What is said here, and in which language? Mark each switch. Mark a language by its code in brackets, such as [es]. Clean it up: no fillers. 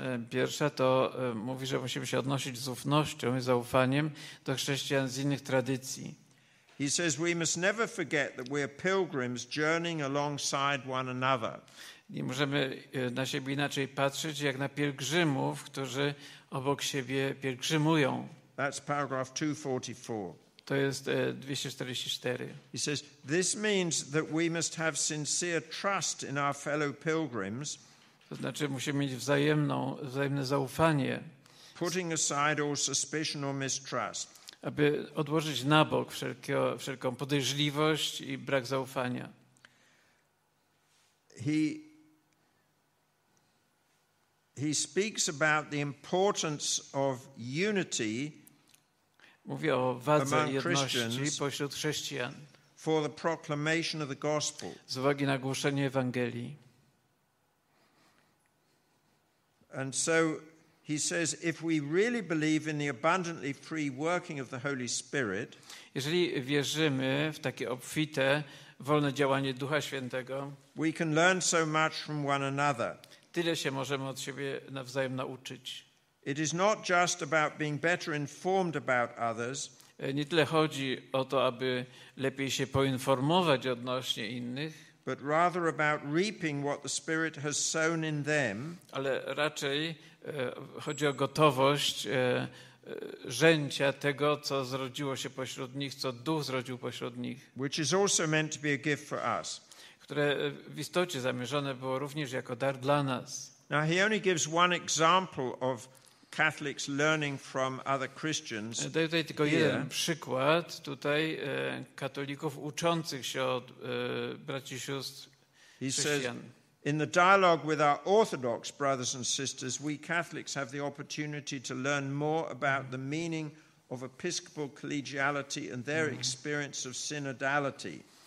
[pl] Pierwsza to mówi, że musimy się odnosić z ufnością i zaufaniem do chrześcijan z innych tradycji. [en] He says we must never forget that we are pilgrims journeying alongside one another. [pl] Nie możemy na siebie inaczej patrzeć jak na pielgrzymów, którzy obok siebie pielgrzymują. [en] That's paragraph 244. [pl] To jest 244. [en] He says this means that we must have sincere trust in our fellow pilgrims. [pl] To znaczy musimy mieć wzajemne zaufanie. [en] Putting aside all suspicion or mistrust. [pl] Aby odłożyć na bok wszelką podejrzliwość i brak zaufania. [en] He speaks about the importance of unity. [pl] Mówi o wadze jedności pośród chrześcijan. [en] For the proclamation of the gospel. [pl] Z uwagi na głoszenie Ewangelii. [en] And so he says, if we really believe in the abundantly free working of the Holy Spirit, [pl] jeżeli wierzymy w takie obfite, wolne działanie Ducha Świętego, [en] we can learn so much from one another. [pl] Tyle się możemy od siebie nawzajem nauczyć. [en] It is not just about being better informed about others. [pl] Nie tyle chodzi o to, aby lepiej się poinformować odnośnie innych, [en] but rather about reaping what the Spirit has sown in them. [pl] Ale raczej chodzi o gotowość żęcia tego, co zrodziło się pośród nich, co Duch zrodził pośród nich. [en] Which is also meant to be a gift for us. [pl] Które w istocie zamierzone było również jako dar dla nas. [en] Now he only gives one example of Catholics learning from other Christians. [pl] Daję tutaj tylko jeden przykład tutaj katolików uczących się od braci i sióstr chrześcijan. [en] He says, in the dialogue with our Orthodox brothers and sisters, we Catholics have the opportunity to learn more about the meaning of episcopal collegiality and their experience of synodality.